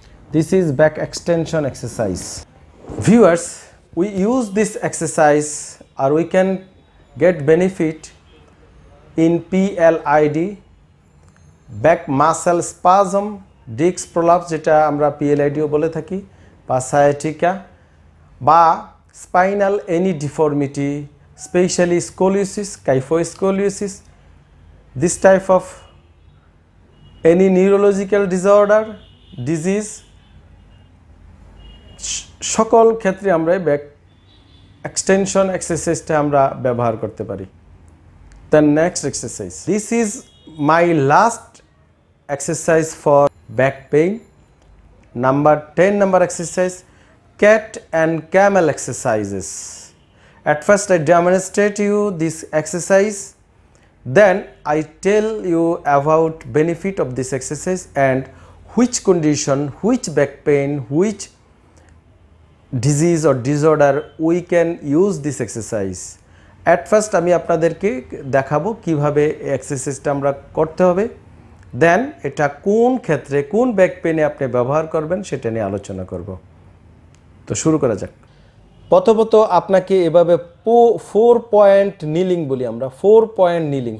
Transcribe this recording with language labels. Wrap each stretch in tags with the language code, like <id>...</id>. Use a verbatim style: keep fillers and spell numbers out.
<en>This is back extension exercise. Viewers, we use this exercise or we can get benefit in P L I D, back muscle spasm, disc prolapse,</en> <bn>jeta amra P L I D o bole thaki,</bn> <en>ba sciatica, ba spinal any deformity, especially scoliosis, kyphoscoliosis, this type of any neurological disorder, disease,</en> <bn>সকল ক্ষেত্রে আমরা back extension এক্সারসাইজটা আমরা ব্যবহার করতে পারি।</bn> <en>The next exercise, this is my last exercise for back pain, number ten number exercise, cat and camel exercises. At first I demonstrate you this exercise, then I tell you about benefit of this exercise and which condition, which back pain, which disease or disorder we can use this exercise. At first</en> <bn>আমি আপনাদেরকে দেখাবো কিভাবে এক্সারসাইজটা আমরা করতে হবে, দেন এটা কোন ক্ষেত্রে কোন ব্যাক পেনে আপনি ব্যবহার করবেন সেটা নিয়ে আলোচনা করব। তো শুরু করা যাক। প্রথমত আপনাকে এভাবে ফোর পয়েন্ট নিলিং বলি আমরা, ফোর পয়েন্ট নিলিং।</bn>